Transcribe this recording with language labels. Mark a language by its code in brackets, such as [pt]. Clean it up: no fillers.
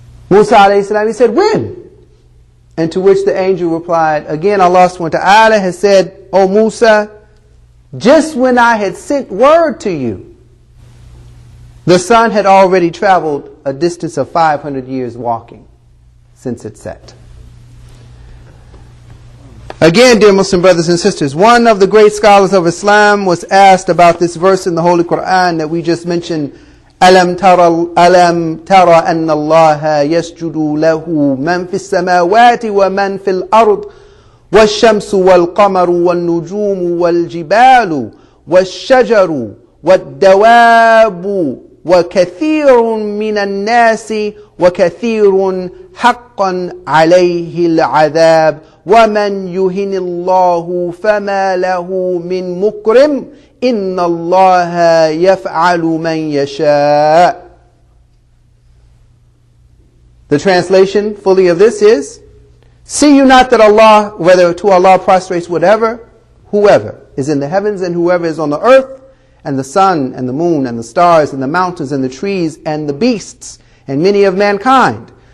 [en] Musa alayhi salam, he said, when? And to which the angel replied, again Allah subhanahu wa ta'ala has said, O Musa, just when I had sent word to you, the sun had already traveled a distance of 500 years walking since it set. Again, dear Muslim brothers and sisters, one of the great scholars of Islam was asked about this verse in the Holy Quran that we just mentioned, [ar] أَلَمْ تَرَ أَنَّ اللَّهَ يَسْجُدُ لَهُ مَنْ فِي السَّمَاوَاتِ وَمَنْ فِي الْأَرْضِ وَالشَّمْسُ وَالْقَمَرُ وَالنُّجُومُ وَالْجِبَالُ وَالشَّجَرُ وَالدَّوَابُ وَكَثِيرٌ مِّنَ النَّاسِ وَكَثِيرٌ حَقًّا عَلَيْهِ الْعَذَابُ وَمَنْ يُهِنِ اللَّهُ فَمَا لَهُ مِنْ مُكْرِمٍ إِنَّ اللَّهَ يَفْعَلُ مَنْ يَشَاءُ. [en] The translation fully of this is, see you not that Allah, whether to Allah prostrates whatever, whoever is in the heavens and whoever is on the earth, and the sun and the moon and the stars and the mountains and the trees and the beasts and many of mankind.